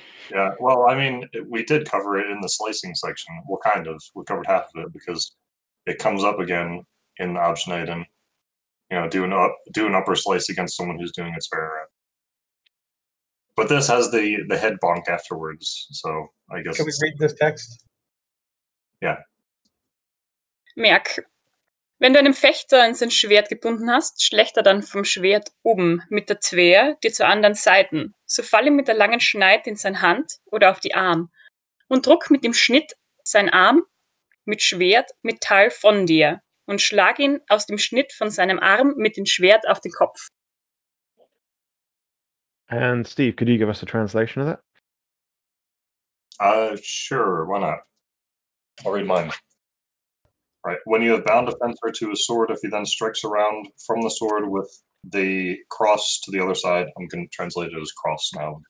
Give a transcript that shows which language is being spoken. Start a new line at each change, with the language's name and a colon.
English: Yeah, well, I mean, we did cover it in the slicing section. Well, kind of. We covered half of it, because it comes up again in the Abschneiden. Do an upper slice against someone who's doing a spare rep. But this has the head bonk afterwards, so I guess... Can we read this text? Yeah.
German: Merk, wenn du einem Fechter an sein Schwert gebunden hast, schlägt er dann vom Schwert oben mit der Zwehr dir zur anderen Seite. So fall ihm mit der langen Schneid in sein Hand oder auf die Arm und druck mit dem Schnitt sein Arm mit Schwert Metall von dir und schlag ihn aus dem Schnitt von seinem Arm mit dem Schwert auf den Kopf.
English: And Steve, could you give us a translation of that? Sure, why not? I'll read mine. Right. When you have bound a fencer to a sword, if he then strikes around from the sword with the cross to the other side, I'm going to translate it as cross now.